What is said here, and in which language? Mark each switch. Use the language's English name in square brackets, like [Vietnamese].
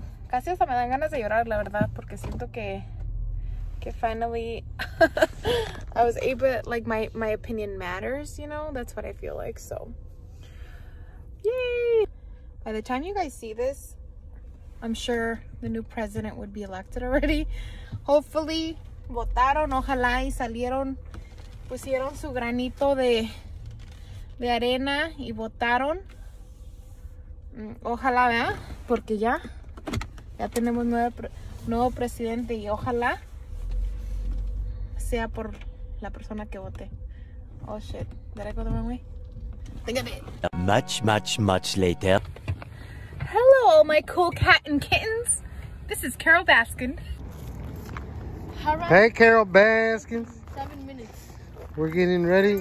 [Spanish] Casi hasta me dan ganas de llorar, la verdad, porque siento que [English] finally I was able. Like my opinion matters, you know. That's what I feel like. So yay! By the time you guys see this, I'm sure the new president would be elected already. Hopefully. [Spanish] Votaron, ojalá y salieron, pusieron su granito de arena y votaron. Ojalá, ¿verdad? Porque ya tenemos nuevo presidente y ojalá sea por la persona que vote. [English] Oh shit, did I go the wrong way? Think of it. Much later. Hello, my cool cat and kittens. This is Carol Baskin. Hey, Carol Baskins. 7 minutes. We're getting ready.